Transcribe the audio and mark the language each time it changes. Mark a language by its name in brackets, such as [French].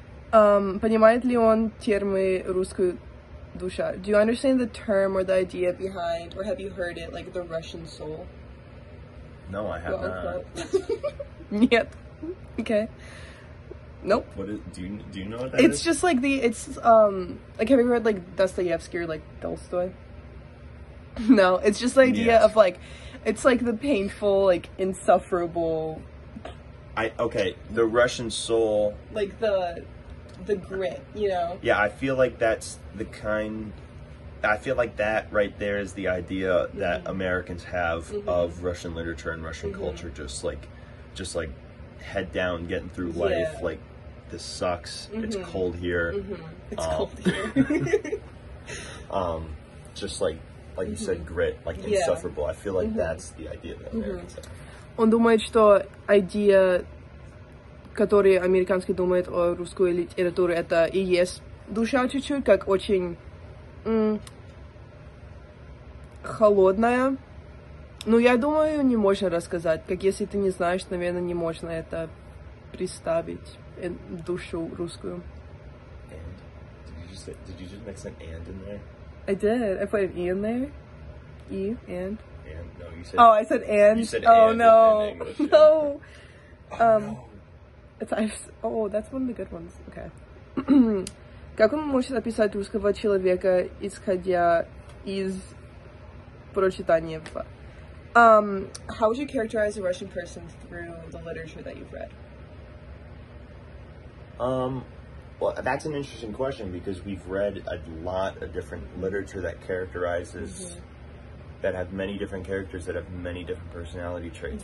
[Russian] Понимает ли он термы русскую душа? [English] Do you understand the term or the idea behind, or have you heard it, like the Russian soul? No, I have not. [Russian] Нет. [English] Okay. Nope. Do you know what that it's is? It's just like like, have you heard like Dostoevsky or like Tolstoy? No, it's just the idea of like, it's like the painful, like insufferable. Okay, the Russian soul. Like the grit, you know? Yeah, I feel like that's the kind, I feel like that right there is the idea that mm-hmm. Americans have mm-hmm. of Russian literature and Russian mm-hmm. culture, just like head down, getting through life, yeah. Like, this sucks, mm-hmm. it's cold here. Mm-hmm. It's cold here. just like you mm-hmm. said, grit, like yeah. insufferable. I feel like mm-hmm. that's the idea that Americans mm-hmm. have. [Russian] Он думает, что идея, которую американцы думают о русской литературе, это и есть душа чуть-чуть, как очень холодная. Но я думаю, не можно рассказать. Как если ты не знаешь, наверное, не можно это представить, душу русскую. [English] And? Did you just mix an and in there? I did. I put an e in there. E, and. And, no, you said, oh, I said and. You said and oh, no. In English, yeah. No. No. That's one of the good ones. Okay. [Russian] Как он может описать русского человека, исходя из прочитания? [English] How would you characterize a Russian person through the literature that you've read? Well, that's an interesting question because we've read a lot of different literature that characterizes. Mm-hmm. That have many different characters that have many different personality traits.